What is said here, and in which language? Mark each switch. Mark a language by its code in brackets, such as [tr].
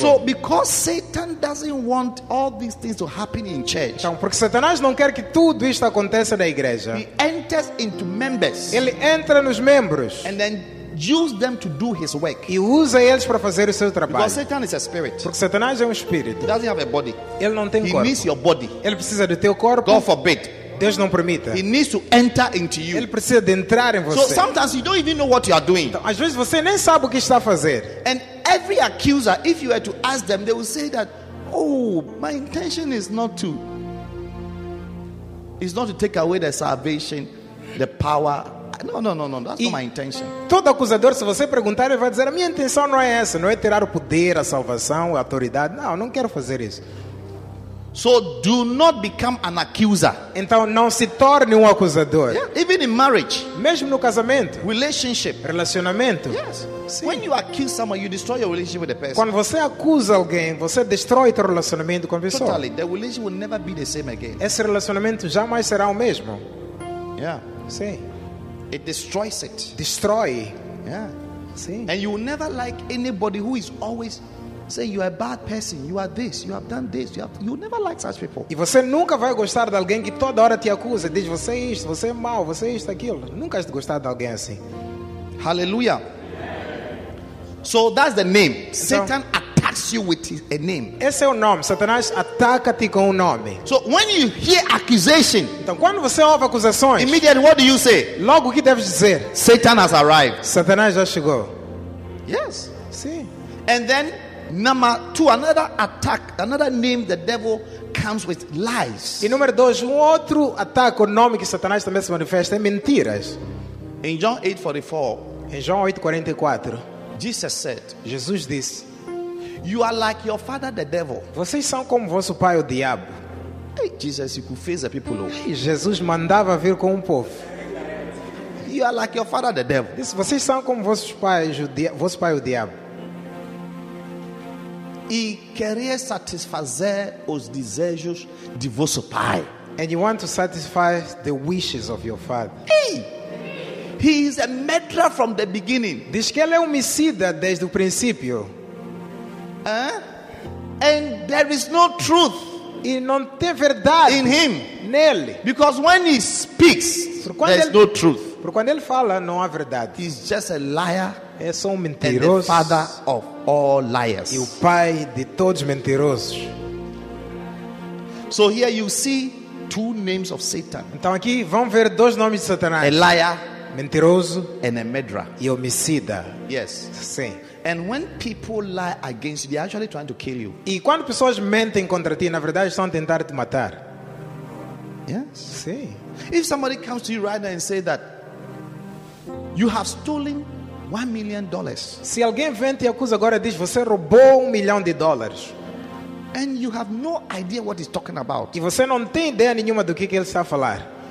[en] So because Satan doesn't want all these things to happen in church. [pt] Então, porque Satanás não quer que tudo isto aconteça na igreja. [en] He enters into members. [pt] Ele entra nos membros. [en] And then use them to do his work. [pt] E usa eles para fazer o seu trabalho. [en] Because Satan is a spirit. [pt] Porque Satanás é um espírito. [en] He doesn't have a body. [pt] Ele não tem [en] he [pt] corpo. [en] Needs your body. [pt] Ele precisa do teu corpo. [en] God forbid. [pt] Deus não permita. [en] He needs to enter into you. [pt] Ele precisa de entrar em você. [en] So sometimes you don't even know what you are doing. [pt] Então, às vezes você nem sabe o que está a fazer. [en] And every accuser, if you were to ask them, they will say that, oh, my intention is not to, it's not to take away the salvation, the power. No, that's not my intention. [pt] Todo acusador, se você perguntar, ele vai dizer, a minha intenção não é essa, não é tirar o poder, a salvação, a autoridade. Não, não quero fazer isso. [en] So do not become an accuser. [pt] Então não se torne acusador. [en] Yeah. Even in marriage, [pt] mesmo no casamento, [en] relationship, [pt] relacionamento. [en] Yes. See, when you accuse someone, you destroy your relationship with the person. [pt] Quando você acusa alguém, você destrói o relacionamento com a pessoa. [en] Totally. The relationship will never be the same again. [pt] Esse relacionamento jamais será o mesmo. [en] Yeah. [pt] Sim. [en] It destroys it. Destroy. Yeah. See. And you will never like anybody who is always saying you are a bad person. You are this. You have done this. You never like such people. [pt] E você nunca vai gostar de alguém que toda hora te acusa, diz você isto, você é mau, você isto, aquilo. Nunca vais gostar de alguém assim. [en] Hallelujah. So that's the name. Então, Satan attacks you with a name. [pt] Esse é o nome. Satanás ataca-te com nome. [en] So when you hear accusation, [pt] então quando você ouve acusações, [en] immediately what do you say? [pt] Logo o que deves dizer? [en] Satan has arrived. [pt] Satanás já chegou. [en] Yes. [pt] Sim. [en] And then number two, another attack, another name the devil comes with, lies. [pt] E número dois, outro ataque ou nome que Satanás também se manifesta é mentiras. [en] In John 8:44. [pt] Em João 8:44. [en] Jesus said, [pt] Jesus disse, [en] you are like your father the devil. [pt] Vocês são como vosso pai o diabo. [en] Hey, Jesus, you could face the people. [pt] Jesus mandava vir com o povo. [en] You are like your father the devil. [pt] Disse, vocês são como vosso pai o diabo. E queria satisfazer os desejos de vosso pai. [en] And you want to satisfy the wishes of your father. Hey! He is a murderer from the beginning. [pt] Diz que ele é homicida desde o princípio. [en] And there is no truth. [pt] E não tem verdade [en] in him. [pt] Nele. [en] Because when he speaks, there is no truth. [pt] Porque quando ele fala, não há verdade. [en] He's just a liar. [pt] É só mentiroso. [en] And the father of all liars. [pt] E o pai de todos mentirosos. [en] So here you see two names of Satan. [pt] Então aqui vão ver dois nomes de Satanás. [en] A liar. [pt] Mentiroso. [en] And a medra. [pt] E homicida. [en] Yes. [pt] Sim. [en] And when people lie against you, they're actually trying to kill you. [pt] E quando pessoas mentem contra ti, na verdade estão a tentar te matar. [en] Yes. [pt] Sim. [en] If somebody comes to you right now and say that you have stolen $1 million. [pt] Se alguém vem te acusa agora e diz você roubou $1 million. [en] And you have no idea what he's talking about. [pt] E você não tem ideia nenhuma do que ele está a falar.